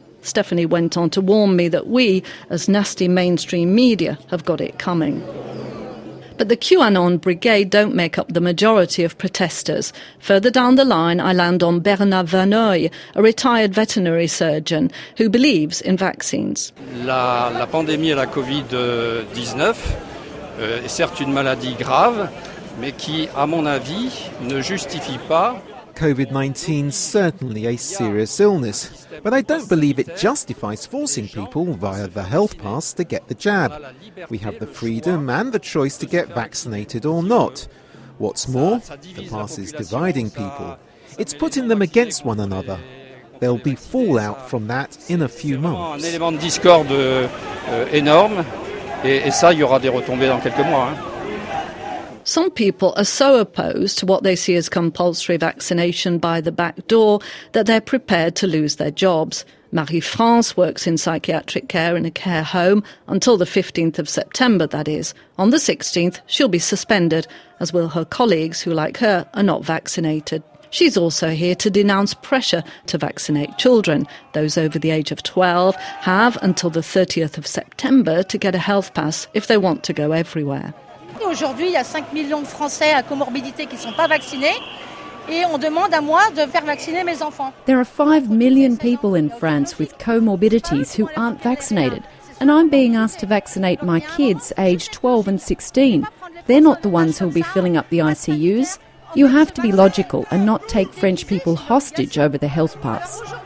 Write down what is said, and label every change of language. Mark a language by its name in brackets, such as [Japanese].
[English] Stephanie went on to warn me that we, as nasty mainstream media, have got it coming. But the QAnon brigade don't make up the majority of protesters. Further down the line, I land on Bernard Verneuil, a retired veterinary surgeon who believes in vaccines. [French] La pandémie à la COVID-19 est certes une maladie grave, mais qui, à mon avis, ne justifie pas. [English] COVID-19 is certainly a serious illness, but I don't believe it justifies forcing people via the health pass to get the jab. We have the freedom and the choice to get vaccinated or not. What's more, the pass is dividing people. It's putting them against one another. There'll be fallout from that in a few months. [French] Un élément de discorde énorme, et ça, il y aura des retombées dans quelques mois. [English] Some people are so opposed to what they see as compulsory vaccination by the back door that they're prepared to lose their jobs. Marie-France works in psychiatric care in a care home until the 15th of September, that is. On the 16th, she'll be suspended, as will her colleagues who, like her, are not vaccinated. She's also here to denounce pressure to vaccinate children. Those over the age of 12 have until the 30th of September to get a health pass if they want to go everywhere. [French] Aujourd'hui, il y a 5 millions de Français à comorbidité qui ne sont pas vaccinés et on demande à moi de faire vacciner mes enfants. [English] There are 5 million people in France with comorbidities who aren't vaccinated, and I'm being asked to vaccinate my kids aged 12 and 16. They're not the ones who'll be filling up the ICUs. You have to be logical and not take French people hostage over the health pass.